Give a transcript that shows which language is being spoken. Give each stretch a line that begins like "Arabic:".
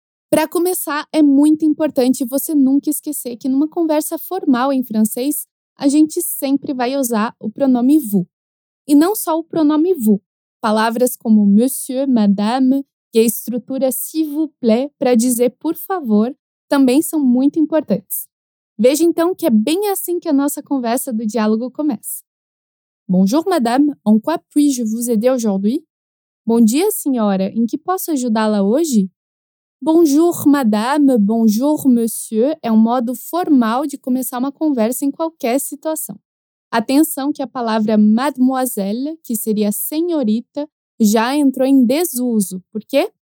Portuguese: Para começar, é muito importante você nunca esquecer que numa conversa formal em francês, a gente sempre vai usar o pronome vous. E não só o pronome vous. Palavras como monsieur, madame, que é a estrutura
French: s'il vous plaît
Portuguese: para dizer por favor, também são muito importantes. Veja então que é bem assim que a nossa conversa do diálogo começa.
French: Bonjour, madame. En quoi puis-je vous aider aujourd'hui?
Portuguese: Bom dia, senhora. Em que posso ajudá-la hoje?
French: Bonjour, madame. Bonjour, monsieur.
Portuguese: É um modo formal de começar uma conversa em qualquer situação. Atenção que a palavra mademoiselle, que seria senhorita, já entrou em desuso. Por quê?